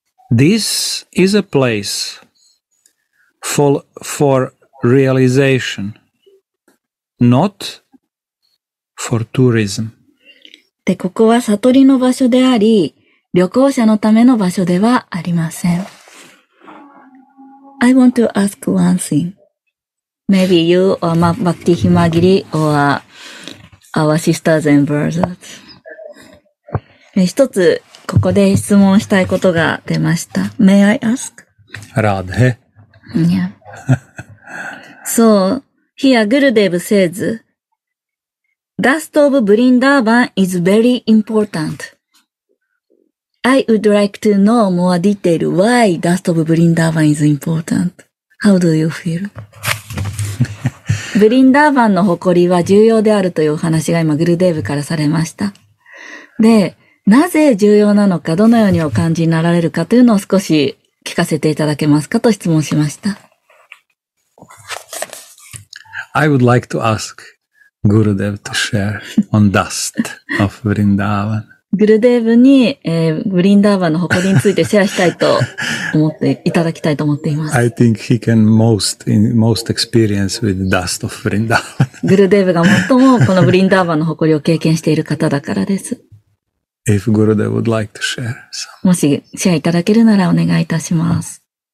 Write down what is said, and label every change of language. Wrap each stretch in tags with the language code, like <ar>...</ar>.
<en>This is a place for realization, not for tourism.</en> <ja>で、ここは悟りの場所であり、旅行者のための場所ではありません。</ja> <en>I want to ask one thing. Maybe you or Bhakti Himagiri or our sisters and brothers.</en> <ja>一つここで質問したいことが出ました。</ja> <en>May I ask?</en> <hi>Radhe.</hi> <en>Yeah. So, here Gurudev says, Dust of Vrindavan is very important. I would like to know more detail why Dust of Vrindavan is important. How do you feel?</en> <ja>ブリンダーバンの誇りは重要であるというお話が今グルデーブからされました。で、なぜ重要なのか、どのようにお感じになられるかというのを少し聞かせていただけますかと質問しました。</ja> <en>I would like to ask Gurudev to share on Dust of Vrindavan.</en> <ja>グルデーブに、ブリンダーバの誇りについてシェアしたいと思っていただきたいと思っています。</ja> <en>I think he can most experience with the dust of Vrindavan.</en> <ja>グルデーブが最もこのブリンダーバの誇りを経験している方だからです。</ja> <en>If Gurudev would like to share some.</en> <ja>もしシェアいただけるならお願いいたします。</ja>